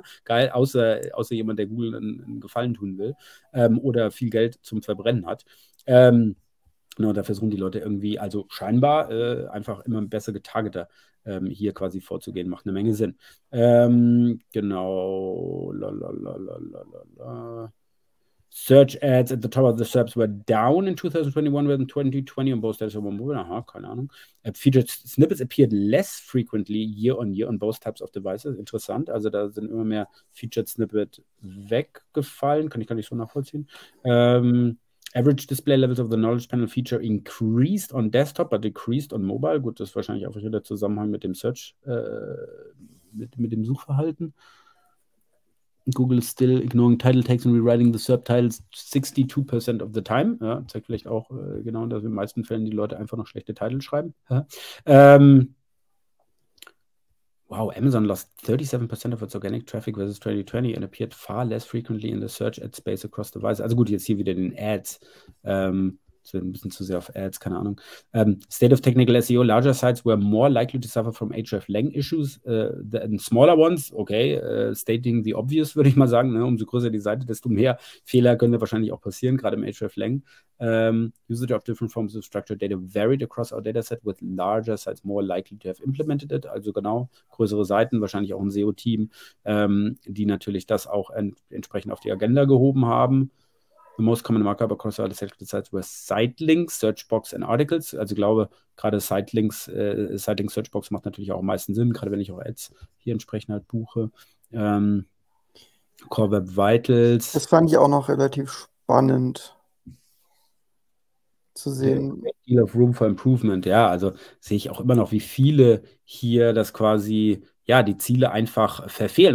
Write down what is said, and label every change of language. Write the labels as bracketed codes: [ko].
[de] Geil, außer jemand, der Google einen Gefallen tun will oder viel Geld zum Verbrennen hat. Genau, da versuchen die Leute irgendwie, also scheinbar einfach immer besser getargeter hier quasi vorzugehen, macht eine Menge Sinn. Genau. Lalalala. [en] Search Ads at the top of the SERPs were down in 2021 than 2020 on both desktop and mobile. [de] Aha, keine Ahnung. [en] Featured Snippets appeared less frequently year on year on both types of devices. [de] Interessant. Also da sind immer mehr Featured Snippet weggefallen. Kann ich so nachvollziehen. [en] Average Display Levels of the Knowledge Panel Feature increased on Desktop, but decreased on Mobile. [de] Gut, das ist wahrscheinlich einfach hier der Zusammenhang mit dem Search, mit dem Suchverhalten. [en] Google is still ignoring Title Tags and rewriting the SERP Titles 62% of the time. [de] Ja, zeigt vielleicht auch genau, dass in den meisten Fällen die Leute einfach noch schlechte Titel schreiben. Ja. [en] Wow, Amazon lost 37% of its organic traffic versus 2020 and appeared far less frequently in the search ad space across devices. [de] Also gut, jetzt hier wieder den Ads. Ein bisschen zu sehr auf Ads, keine Ahnung. [en] State of Technical SEO, larger sites were more likely to suffer from Hreflang issues than smaller ones. [de] Okay, [en] stating the obvious, [de] würde ich mal sagen. Ne? Umso größer die Seite, desto mehr Fehler können da wahrscheinlich auch passieren, gerade im Hreflang. [en] Usage of different forms of structured data varied across our dataset with larger sites more likely to have implemented it. [de] Also genau, größere Seiten, wahrscheinlich auch ein SEO-Team, die natürlich das auch entsprechend auf die Agenda gehoben haben. [en] The most common markup across all the selected sites were Sitelinks, Searchbox and Articles. [de] Also ich glaube, gerade Sitelinks, Sitelinks, Searchbox macht natürlich auch am meisten Sinn, gerade wenn ich auch Ads hier entsprechend halt buche. [en] Core Web Vitals. [de] Das fand ich auch noch relativ spannend zu sehen. [en] Deal of Room for Improvement, [de] ja, also sehe ich auch immer noch, wie viele hier das quasi, ja, die Ziele einfach verfehlen.